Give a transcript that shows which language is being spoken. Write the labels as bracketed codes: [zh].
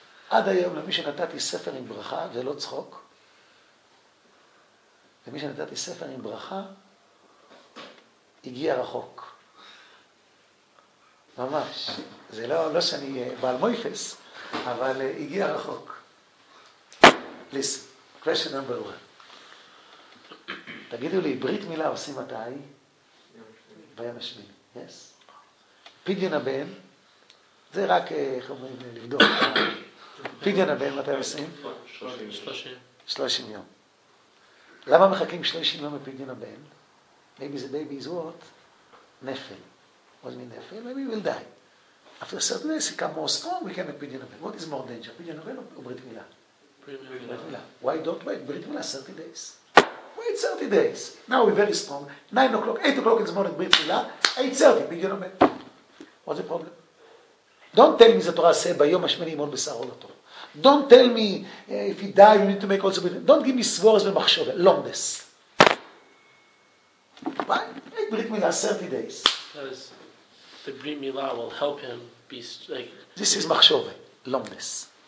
[he] עד היום למי שנתתי ספר עם ברכה, זה לא צחוק, למי שנתתי ספר עם ברכה, הגיע רחוק. ממש. זה לא שאני בעל מויפס, אבל הגיע רחוק. [en] Listen, question number one. [he] תגידו לי, ברית מילה עושים מתי? ביום השביעי. [en] Yes? [he] פדיון הבן, זה רק, איך אומרים, לבדוק. פדיון הבן, מתי עושים? 30 יום. למה מחכים 30 יום בפדיון הבן? [en] Maybe the baby is what? נפל. What mean נפל? Maybe we will die. After certain days, he come more strong, we can have פדיון הבן. What is more danger? פדיון הבן או ברית מילה? [he] ברית מילה. [en] Why don't wait? ברית מילה 30 days. Wait 30 days. Now we're very strong. 9 o'clock, 8 o'clock in the morning, ברית מילה. 8:30, פדיון הבן. What's the problem? Don't tell me [he] זה תורה עשה ביום השמיני אימון בשער עולתו. [en] Don't tell me if he die, you need to make also with him. Don't give me swores and machshove. Lomdes. Why? Make Brit Mila 30 days. Because the Brit Mila will help him be like... This is machshove. Lomdes.